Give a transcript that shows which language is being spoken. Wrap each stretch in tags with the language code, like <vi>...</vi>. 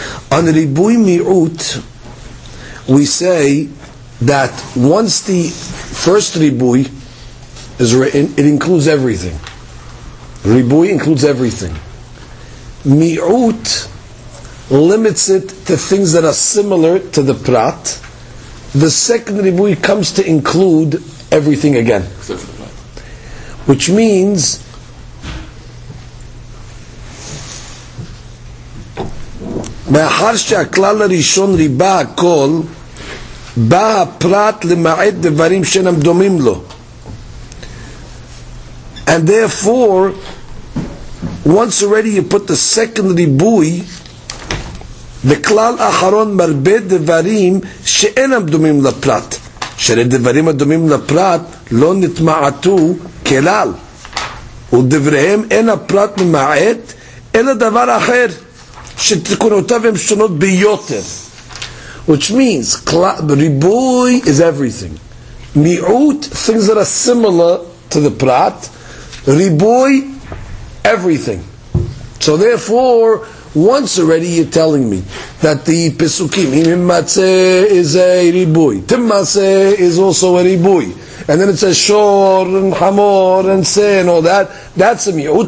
<en>On the ribuy mi'ut, we say that once the first ribuy is written, it includes everything. Ribuy includes everything. Mi'ut limits it to things that are similar to the prat. The second ribuy comes to include everything again. Which means,</en> <he>מאחר שהכלל הראשון ריבה הכל, בא הפרט למעט דברים שאינם דומים לו.</he> <en>And therefore, once already you put the second ריבוי,</en> <he>בכלל אחרון מרבה דברים שאינם דומים לפרט. שאלה דברים הדומים לפרט לא נתמעטו כלל. ודבריהם אין הפרט ממעט, אלא דבר אחר.</he> <en>Which means ribuy is everything. Mi'ut, things that are similar to the prat. Ribuy, everything. So therefore, once already you're telling me that the pesukim imimatzeh is a ribuy, timmaseh is also a ribuy, and then it says shor and hamor and seh and all that, that's a mi'ut.</en>